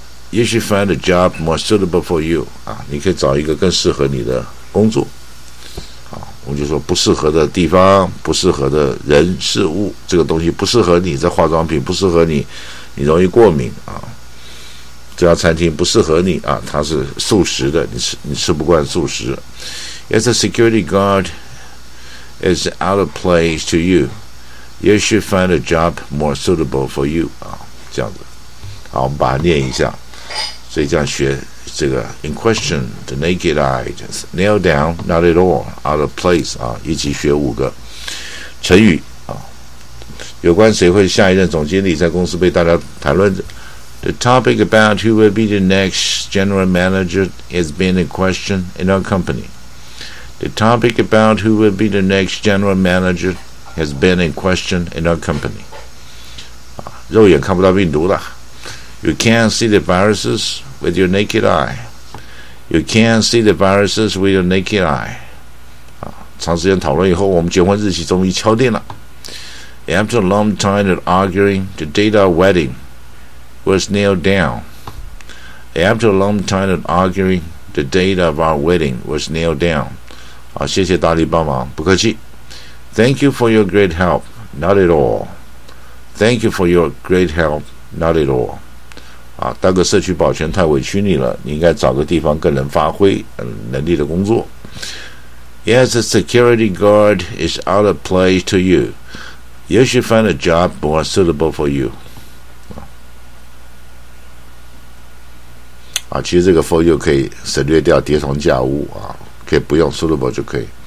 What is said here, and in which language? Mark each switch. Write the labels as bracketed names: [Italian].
[English] You should find a job more suitable for you 啊， [Chinese] 你可以找一个更适合你的工作啊。我们就说不适合的地方，不适合的人事物，这个东西不适合你，这化妆品不适合你，你容易过敏啊。这家餐厅不适合你啊，它是素食的，你吃不惯素食。 [English] As a security guard is out of place to you, you should find a job more suitable for you 啊， [Chinese] 这样子。好，我们把它念一下。所以这样学这个 [English] in question, the naked eye, nail down, not at all, out of place [Chinese] 啊，一起学五个成语啊。有关谁会下一任总经理，在公司被大家谈论着。 [English] The topic about who will be the next general manager has been in question in our company. The topic about who will be the next general manager has been in question in our company. [Chinese] 啊，肉眼看不到病毒了。 [English] You can't see the viruses with your naked eye. You can't see the viruses with your naked eye. [Chinese] 啊，长时间讨论以后，我们结婚日期终于敲定了。 [English] After a long time of arguing, the date of wedding was nailed down. After a long time of arguing, The date of our wedding was nailed down. [Chinese] 啊，谢谢大力帮忙，不客气。 [English] Thank you for your great help. Not at all. Thank you for your great help. Not at all. [Chinese] 啊，大哥，社区保全太委屈你了，你应该找个地方更能发挥能力的工作。 [English] Yes, a security guard is out of place to you. You should find a job more suitable for you. [Chinese] 啊，其实这个 for you 可以省略掉叠同架物啊，可以不用 suitable 就可以。